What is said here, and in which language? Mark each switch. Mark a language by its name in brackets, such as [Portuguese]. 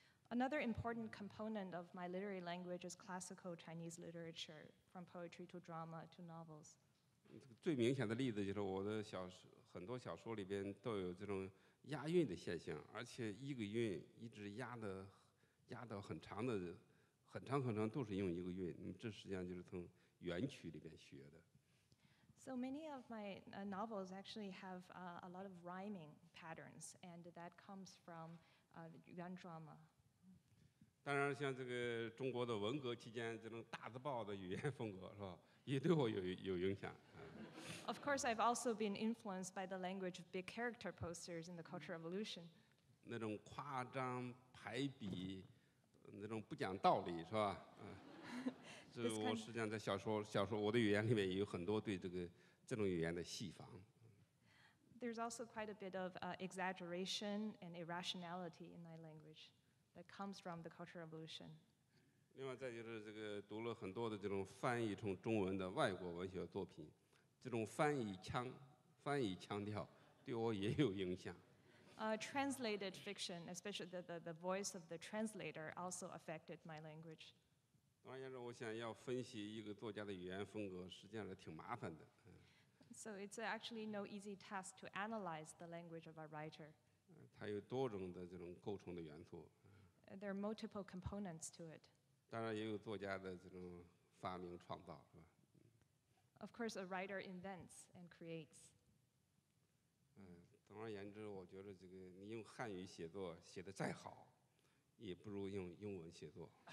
[English] Another important component of my literary language is classical Chinese literature, from poetry to drama to novels. [Chinese] 最明显的例子就是我的小很多小说里边都有这种押韵的现象，而且一个韵一直押到很长的很长很长都是用一个韵，这实际上就是从元曲里边学的。 [English] So many of my novels actually have a lot of rhyming patterns, and that comes from Yuan drama. [Chinese] 当然，像这个中国的文革期间这种大字报的语言风格是吧，也对我有影响。 [English] Of course, I've also been influenced by the language of big character posters in the Cultural Revolution. [Chinese] 那种夸张排比，那种不讲道理是吧？这我实际上在小说我的语言里面也有很多对这种语言的戏仿。 [English] There's also quite a bit of exaggeration and irrationality in my language that comes from the Cultural Revolution. [Chinese] 另外再就是这个读了很多的这种翻译成中文的外国文学作品，这种翻译腔调对我也有影响。 [English] Translated fiction, especially the voice of the translator, also affected my language. [Chinese] 当然，我想要分析一个作家的语言风格，实际上是挺麻烦的。 [English] So it's actually no easy task to analyze the language of a writer. [Chinese] 它有多种的这种构成的元素。 [English] There are multiple components to it. [Chinese] 当然，也有作家的这种发明创造，是吧？ [English] Of course, a writer invents and creates. [Chinese] 总而言之，我觉得这个你用汉语写作写得再好，也不如用英文写作。